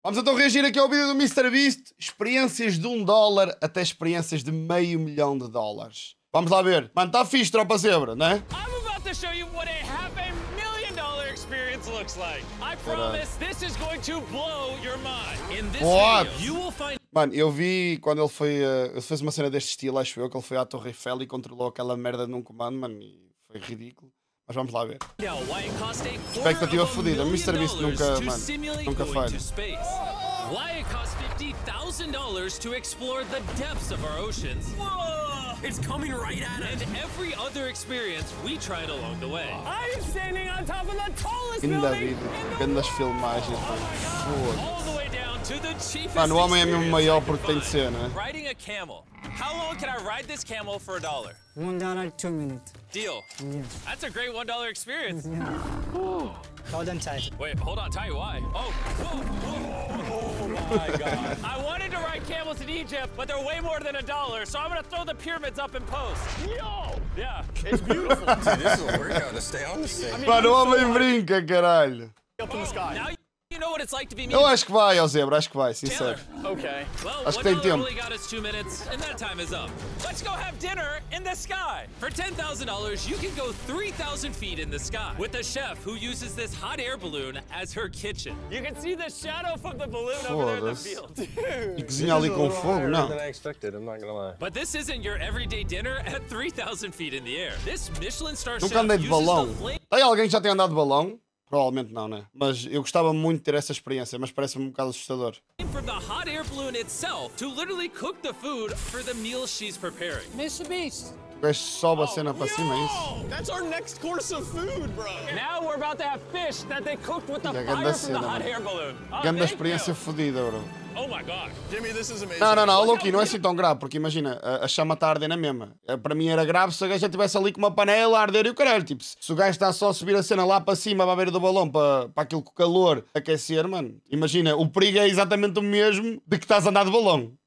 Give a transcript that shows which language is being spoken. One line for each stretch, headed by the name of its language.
Portuguese: Vamos então reagir aqui ao vídeo do MrBeast. Experiências de um dólar até experiências de meio milhão de dólares. Vamos lá ver. Mano, está fixe, tropa zebra, não é?
English: I'm about to show you what a half a million dollar experience looks like. I promise this is going to blow your mind. In this video, you will find...
Portuguese: Mano, eu vi quando ele foi... Ele fez uma cena deste estilo, acho eu, que ele foi à Torre Eiffel e controlou aquela merda num comando, mano. E foi ridículo. Mas vamos lá ver. Expectativa fodida. MrBeast nunca, mano, nunca falha.
English: Why it costs $50,000 to explore the depths of our oceans. Whoa! It's coming right at us. And every other experience we tried along the way. I'm standing on top of the tallest building in the
Portuguese: filmagens,
English: all the way down to the cheapest.
Portuguese: Mano, o homem é mesmo maior porque tem de ser, né?
English: Riding a camel. How long can I ride this camel for a dollar? $1, 2 minutes. Deal. Yes. That's a great $1 experience. Yeah. Hold on tight. Wait, hold on tight. Why? Oh my god. I wanted to ride camels in Egypt, but they're way more than a dollar, so I'm gonna throw the pyramids up in post. Yo! Yeah. It's beautiful. Dude, this is a workout to stay on the stage.
Portuguese: Mano, o homem brinca, caralho.
English: Up in the sky. Now you know what it's like to be me.
Portuguese: Eu acho que vai, Zebra, acho que vai, sincero.
English: Okay.
Portuguese: Well, acho que tem tempo.
English: Only got us 2 minutes, and that time is up. Let's go have dinner in the sky. For $10,000, you can go 3,000 feet in the sky with a chef who uses this hot air balloon as her kitchen. You can see the shadow from the balloon over there in the field.
Portuguese: E cozinha ali com fogo, não.
English: Than I expected, I'm not gonna lie. But this isn't your everyday dinner at 3,000 feet in the air. This Michelin star chef uses the flame...
Portuguese: Tem alguém que já tem andado de balão? Provavelmente não, né? Mas eu gostava muito de ter essa experiência, mas parece-me um bocado assustador.
English: From the hot air balloon itself to literally cook the food for the meal she's preparing. MrBeast.
Portuguese: Tu vês, sobe a cena para cima, é isso?
English: That's our next course of food, bro. Now we're about to have fish that they cooked with the fire from the hot air balloon.
Portuguese: Ganda experiência fodida, bro.
English: Oh my god. Jimmy, this is amazing.
Portuguese: Não, não, não, Loki, não é assim tão grave, porque imagina, a chama está a arder na mesma. Para mim era grave se o gajo já estivesse ali com uma panela a arder e o caralho, tipo, se o gajo está só a subir a cena lá para cima, para a beira do balão, para aquilo com o calor aquecer, mano. Imagina, o perigo é exatamente o mesmo de que estás a andar de balão.